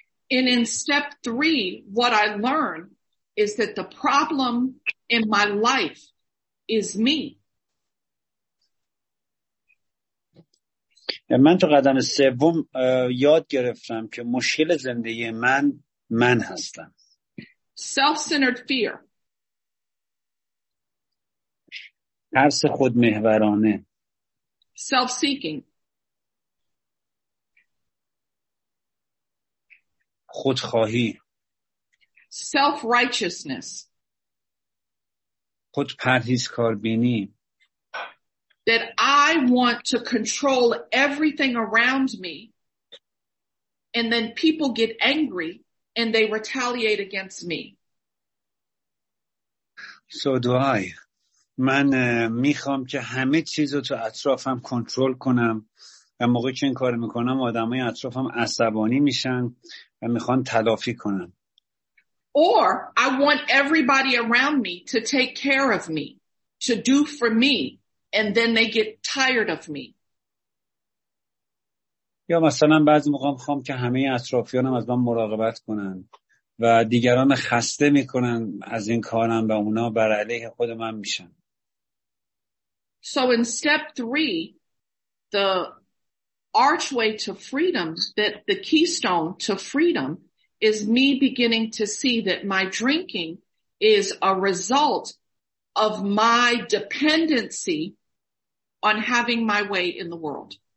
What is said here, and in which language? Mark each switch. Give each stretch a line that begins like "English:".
English: And in step 3, what I learned is that the problem in my life is me.
Persian: من تو قدم سوم یاد گرفتم که مشکل زندگی من هستم.
English: Self-centered fear.
Persian: ترس خودمحورانه.
English: Self-seeking.
Persian: خودخواهی.
English: Self-righteousness.
Persian: خودپرهیزکاربینی.
English: That I want to control everything around me, and then people get angry and they retaliate against me. So do I.
Persian: من میخوام که همه چیز رو تو اطرافم کنترل کنم و موقعی که این کار میکنم آدم های اطرافم عصبانی میشن و میخوان تلافی کنن.
English: Or I want everybody around me to take care of me, to do for me, and then they get tired of me.
Persian: یا مثلا بعضی موقع میخوام که همه اطرافیانم از من مراقبت کنن و دیگران خسته میکنن از این کارم و اونا بر علیه خود من میشن.
English: So in step 3, the archway to freedom, that the keystone to freedom, is me beginning to see that my drinking is a result of my dependency on having my way in the world.